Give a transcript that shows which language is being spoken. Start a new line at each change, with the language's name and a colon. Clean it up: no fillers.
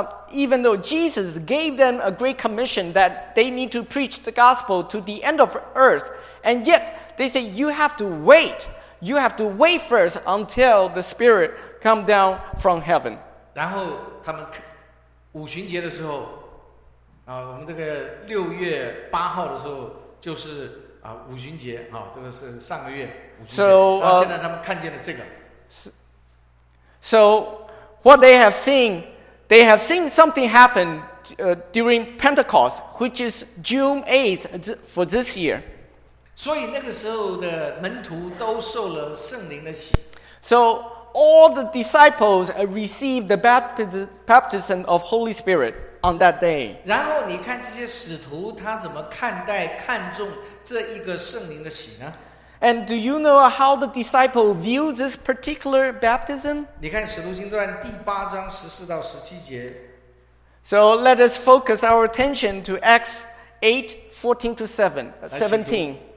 English: Even though Jesus gave them a great commission that they need to preach the gospel to the end of earth, and yet they say you have to wait. You have to wait first until the Spirit come down from heaven.
Chinese: 然后他们五旬节的时候，我们这个六月八号的时候就是五旬节啊，这个是上个月五旬节。
English: So,
Chinese: 然后现在他们看见了这个。
English: So. What they have seen something happen during Pentecost, which is June 8th for this year.
Chinese: 所以那个时候的门徒都受了圣灵的洗。
English: So all the disciples received the baptism of Holy Spirit on that day.
Chinese: 然后你看这些使徒他怎么看待看重这一个圣灵的洗呢？
English: And do you know how the disciple view this particular baptism?
Chinese: 你看《使徒行传》第八章十四到十七节。
English: So let us focus our attention to Acts 8:14-17.